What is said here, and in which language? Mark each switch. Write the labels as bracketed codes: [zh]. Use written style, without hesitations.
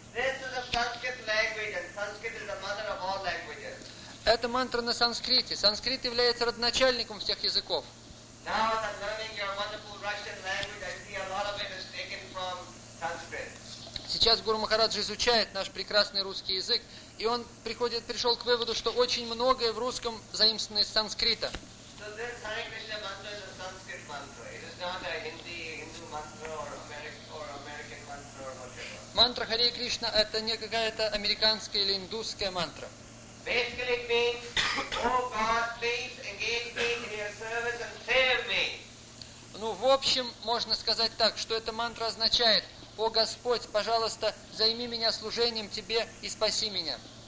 [en] This is a Sanskrit language and Sanskrit is the mother of all languages. [ru] Это мантра на санскрите. Санскрит является родоначальником всех языков. [en] Now that I'm learning your wonderful Russian language, I see a lot of it is taken from Sanskrit. [ru] Сейчас Гуру Махарадж изучает наш прекрасный русский язык, и он пришел к выводу, что очень многое в русском заимствовано из санскрита. [en] So this Hare Krishna mantra is a Sanskrit mantra. It is not a Hindu mantra or American mantra or whatever. [ru] Мантра Харе Кришна – это не какая-то американская или индусская мантра. [en] Basically it means, O God, please engage me in your service and save me. [ru] Ну, в общем, можно сказать так, что эта мантра означает: «О Господь, пожалуйста, займи меня служением Тебе и спаси меня».